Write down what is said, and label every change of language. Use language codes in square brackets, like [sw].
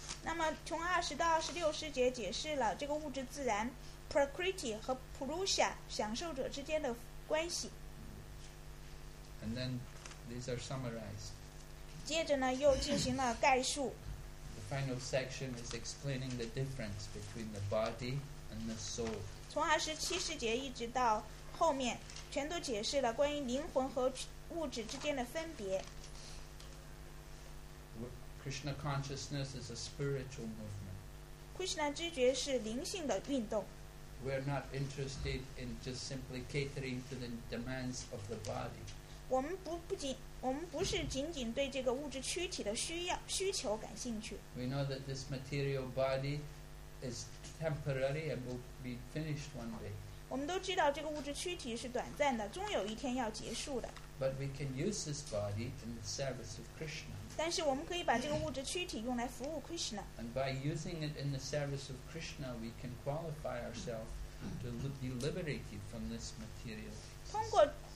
[zh] 那么从20章到26章节解释了这个物质自然 Prakriti 和 Purusha 享受者之间的关系 [en] And then these are summarized. [zh] 接着呢又进行了概述 [en] The final section is explaining the difference between the body and the soul. [zh] 从27章节一直到后面 全都解释了关于灵魂和物质之间的分别 [en] Krishna consciousness is a spiritual movement [zh] Krishna知觉是灵性的运动 [en] We are not interested in just simply catering to the demands of the body [zh] 我们不仅对这个物质躯体的需求感兴趣 [en] We know that this material body is temporary and will be finished one day [zh] 我们都知道这个物质躯体是短暂的终有一天要结束的 [en] but we can use this body in the service of Krishna [zh] 但是我们可以把这个物质躯体用来服务 Krishna [en] and by using it in the service of Krishna we can qualify ourselves to be liberated from this material